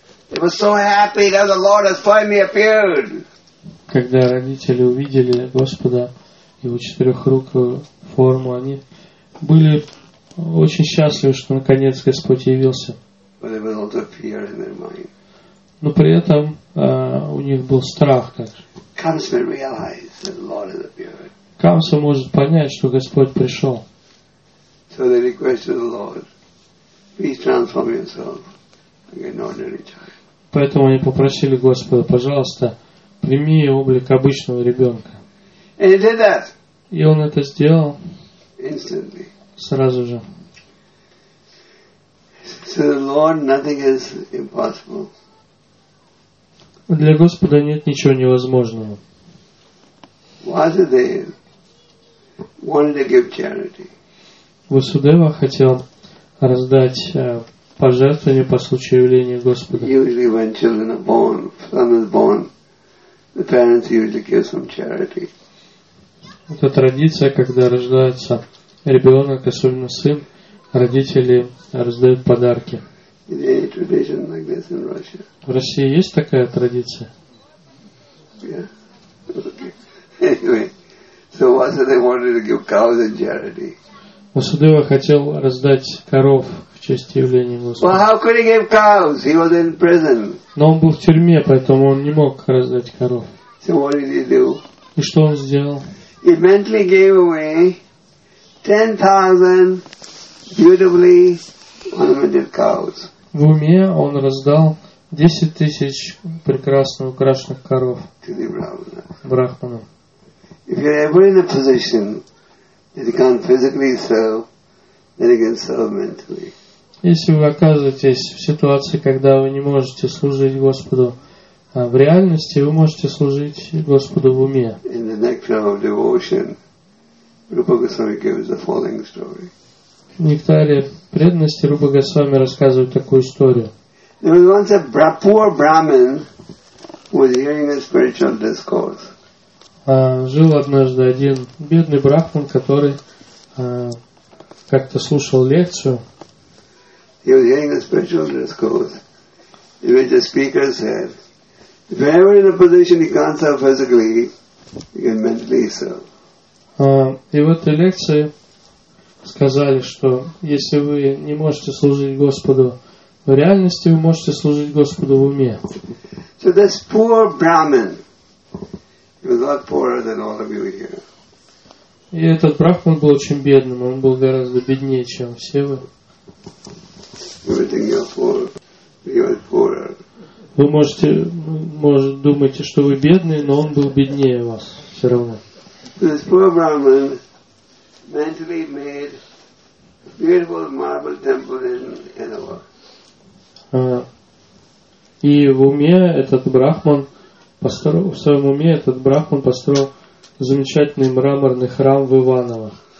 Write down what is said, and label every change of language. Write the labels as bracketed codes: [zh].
[en] They were so happy that the Lord has finally appeared. [ru] Когда родители увидели Господа, его четырехрукую форму, они были очень счастливы, что наконец Господь явился. [en] But there was also fear in their mind. [ru] Но при этом у них был страх. [en] Kamsa realized that the Lord has appeared. [ru] Kamsa может понять, что Господь пришел. [en] So they requested the Lord, please transform yourself like an ordinary child. [ru] Поэтому они попросили Господа, пожалуйста, прими облик обычного ребенка. [en] And he did that. [ru] И он это сделал. [en] Instantly. [ru] Сразу же. [en] So the Lord, nothing is impossible. [ru] Для Господа нет ничего невозможного. [en] Vasudeva wanted to give charity. [ru] Васудева хотел раздать пожертвование по случаю явления Господа. [en] Usually when children are born, son is born, the parents usually give some charity. [ru] Это традиция, когда рождается ребенок, особенно сын, родители раздают подарки. [en] Is there any tradition like this in Russia? [ru] В России есть такая традиция? [en] Yeah. Okay. Anyway, so Vasudeva wanted to give cows in charity. [ru] Васудева хотел раздать коров в честь явления Господа. [en] Well, how could he give cows? He was in prison. [ru] Но он был в тюрьме, поэтому он не мог раздать коров. [en] So what did he do? [ru] И что он сделал? [en] He mentally gave away 10,000 beautifully ornamented cows. [ru] В уме он раздал 10,000 прекрасно украшенных коров брахманам. [en] If you're ever in a position that you can't physically serve, then you can serve mentally. [ru] Если вы оказываетесь в ситуации, когда вы не можете служить Господу в реальности, вы можете служить Господу в уме. [en] In the nectar of devotion, Rupa Goswami gives the following story. [ru] В нектаре преданности Рупа Госвами рассказывает такую историю. [en] There was once a poor Brahmin who was hearing a spiritual discourse. [ru] Жил однажды один бедный брахман, который как-то слушал лекцию. [en] He was hearing a spiritual discourse in which the speaker said, if you're ever in a position you can't serve physically, you can mentally serve. [ru] И в этой лекции сказали, что если вы не можете служить Господу в реальности, вы можете служить Господу в уме. [en] So this poor Brahmin, he was a lot poorer than all of you here. [ru] И этот Брахман был очень бедным, он был гораздо беднее, чем все вы. Вы можете, может, думаете, что вы бедные, но он был беднее вас все равно. И в уме этот Брахман построил, замечательный мраморный храм в Иваново.